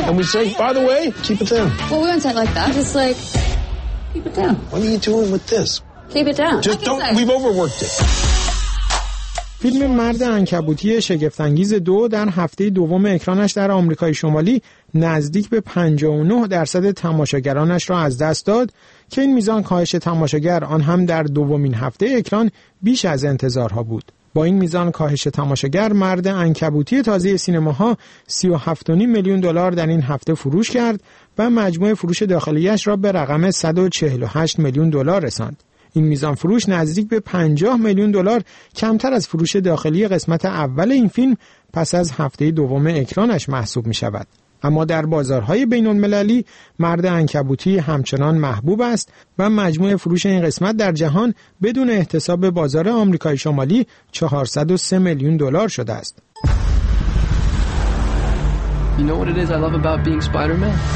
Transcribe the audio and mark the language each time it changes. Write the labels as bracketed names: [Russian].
[English] And we say, by the way, keep it down. Well, we won't say it like that. Just like, keep it down. What are you doing with this? Keep it down. Just don't, we've overworked it. [Persian] فیلم مرد عنکبوتی شگفت‌انگیز دو در هفته دوم اکرانش در آمریکای شمالی نزدیک به 59% تماشاگرانش را از دست داد که این میزان کاهش تماشاگر آن هم در دومین هفته اکران بیش از انتظارها بود. با این میزان کاهش تماشاگر، مرد عنکبوتی تازه سینماها 37.5 میلیون دلار در این هفته فروش کرد و مجموع فروش داخلیش را به رقم 148 میلیون دلار رساند. این میزان فروش نزدیک به 50 میلیون دلار کمتر از فروش داخلی قسمت اول این فیلم پس از هفته دوم اکرانش محسوب می شود. اما در بازارهای بین المللی مرد عنکبوتی همچنان محبوب است و مجموع فروش این قسمت در جهان بدون احتساب بازار آمریکای شمالی 403 میلیون دلار شده است. [English] You know what it is I love about being Spider-Man?